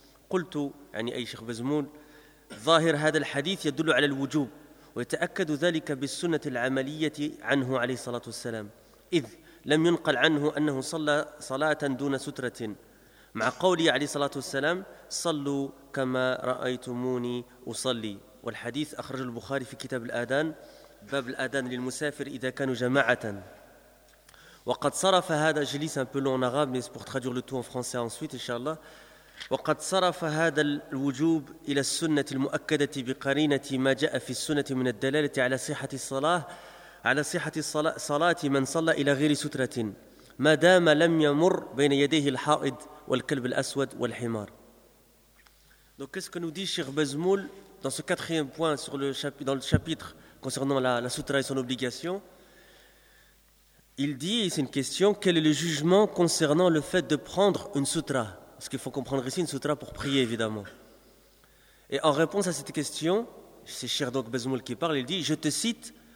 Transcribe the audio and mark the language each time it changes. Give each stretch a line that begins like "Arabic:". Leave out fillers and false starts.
Arabic: قلت يعني أي شيخ بزمول ظاهر هذا الحديث يدل على الوجوب ويتأكد ذلك بالسنة العملية عنه عليه الصلاة والسلام، إذ لم ينقل عنه أنه صلى صلاة دون سترة، مع قوله عليه الصلاة والسلام صلوا كما رأيتموني أصلي. والحديث أخرج البخاري في كتاب الآذان باب الآذان للمسافر إذا كانوا جماعة. وقد صرف هذا جليس
French: un peu long en arabe mais pour traduire le tout en français ensuite inshallah.
Arabic: وقد صرف هذا الوجوب إلى السنة المؤكدة بقرينة ما جاء في السنة من الدلالة على صحة الصلاة صلاة من صلى إلى غير سترة ما دام لم يمر بين يديه الحائض والكلب الأسود والحمار.
French: Donc qu'est-ce que nous dit Cheikh Bazmoul dans ce quatrième point sur le dans le chapitre concernant la sutra et son obligation? Il dit, et c'est une question, quel est le jugement concernant le fait de prendre une sutra? Parce qu'il faut comprendre ici une sutra pour prier, évidemment. Et en réponse à cette question, c'est Cheikh Bazmoul qui parle, il dit, je te cite